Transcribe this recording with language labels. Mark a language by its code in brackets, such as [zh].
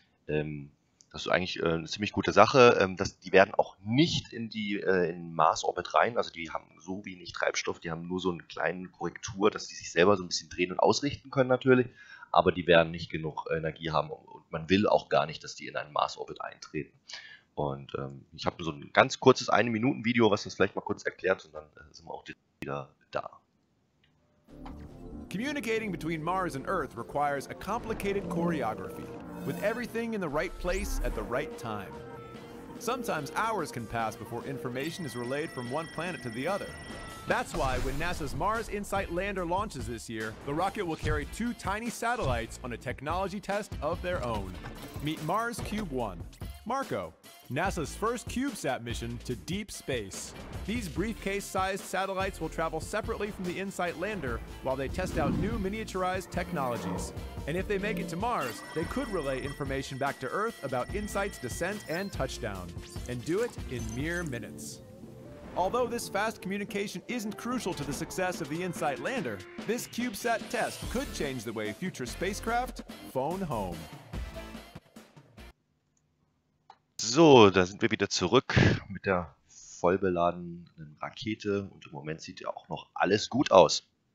[de] Das ist eigentlich eine ziemlich gute Sache. Die werden auch nicht in Mars-Orbit rein, also die haben so wenig Treibstoff, die haben nur so eine kleine Korrektur, dass die sich selber so ein bisschen drehen und ausrichten können natürlich, aber die werden nicht genug Energie haben und man will auch gar nicht, dass die in einen Mars-Orbit eintreten. Und ich habe so ein ganz kurzes 1-Minuten-Video, was das vielleicht mal kurz erklärt und dann sind wir auch wieder da. [en] Communicating between Mars and Earth requires a complicated choreography, with everything in the right place at the right time. Sometimes hours can pass before information is relayed from one planet to the other. That's why when NASA's Mars InSight lander launches this year, the rocket will carry 2 tiny satellites on a technology test of their own. Meet Mars Cube 1. Marco, NASA's first CubeSat mission to deep space. These briefcase-sized satellites will travel separately from the InSight lander while they test out new miniaturized technologies. And if they make it to Mars, they could relay information back to Earth about InSight's descent and touchdown, and do it in mere minutes. Although this fast communication isn't crucial to the success of the InSight lander, this CubeSat test could change the way future spacecraft phone home. [de] So, da sind wir wieder zurück mit der vollbeladenen Rakete und im Moment sieht ja auch noch alles gut aus.